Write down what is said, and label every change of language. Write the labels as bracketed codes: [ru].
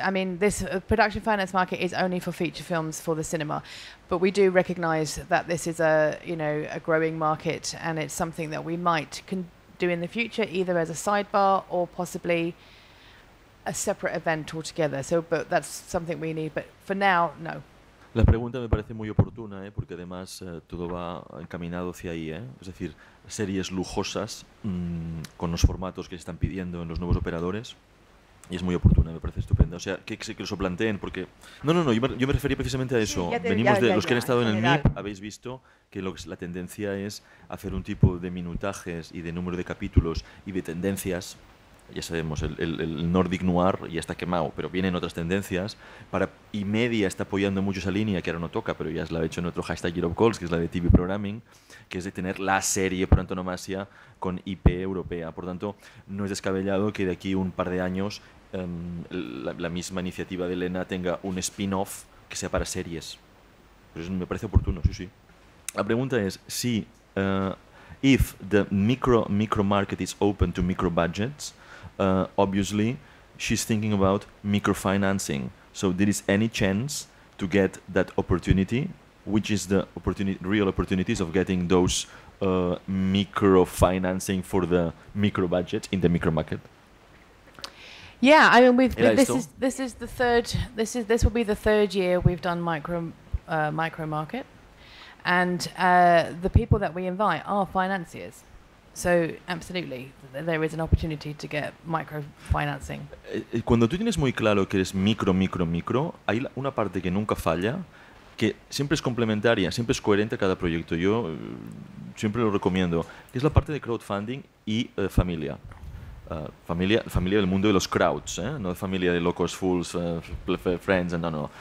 [en] I mean, this production finance market is only for feature films for the cinema, but we do recognise that this is a growing market, and it's something that we might can do in the future, either as a sidebar or possibly a separate event altogether. So, but that's something we need. But for now, no. [es] La pregunta me parece muy oportuna, porque además todo va encaminado hacia ahí, Es decir, series lujosas con los formatos que están pidiendo en los nuevos operadores. Y es muy oportuna, me parece estupenda. O sea, que lo planteen, porque... No, yo me refería precisamente a eso. Sí, los que han estado en el MIP, habéis visto que la tendencia es hacer un tipo de minutajes y de número de capítulos y de tendencias. Ya sabemos, el Nordic Noir ya está quemado, pero vienen otras tendencias. Y Media está apoyando mucho esa línea, que ahora no toca, pero ya se la ha hecho en otro hashtag Europe Calls, que es la de TV Programming, que es de tener la serie por antonomasia con IP europea. Por tanto, no es descabellado que de aquí un par de años la misma iniciativa de Elena tenga un spin-off que sea para series. Pero eso me parece oportuno, sí, sí. La pregunta es, si... [en] if the micro market is open to micro budgets, obviously she's thinking about microfinancing. So there is any chance to get that opportunity, which is the real opportunities of getting those micro financing for the micro budget in the micro market. Yeah, I mean, this will be the third year we've done micro market. And the people that we invite are financiers. So absolutely, there is an opportunity to get microfinancing. [es] Cuando tú tienes muy claro que eres micro, hay una parte que nunca falla, que siempre es complementaria, siempre es coherente a cada proyecto. Yo siempre lo recomiendo. Es la parte de crowdfunding y familia. Familia del mundo de los crowds, no de familia de locos, [en] fools, friends, [es] no.